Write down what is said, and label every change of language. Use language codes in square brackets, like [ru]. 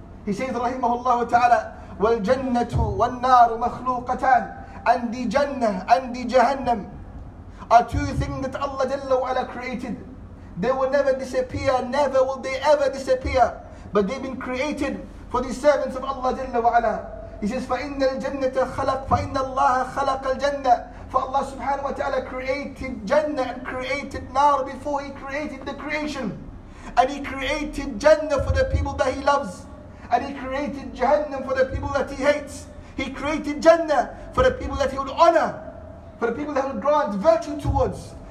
[en] He says [ar] رحمه الله تعالى والجنة والنار مخلوقتان, [en] and the Jannah and the Jahannam are two things that Allah جل وعلا created. They will never disappear, never will they ever disappear, but they've been created for the servants of Allah جل وعلا. He says, [ar] فَإِنَّ الْجَنَّةَ خَلَقْ فَإِنَّ اللَّهَ خَلَقَ الْجَنَّةِ. [en] For Allah subhanahu wa ta'ala created Jannah and created Nar before He created the creation. And He created Jannah for the people that He loves. And He created Jahannam for the people that He hates. He created Jannah for the people that He would honor, for the people that He would grant virtue towards.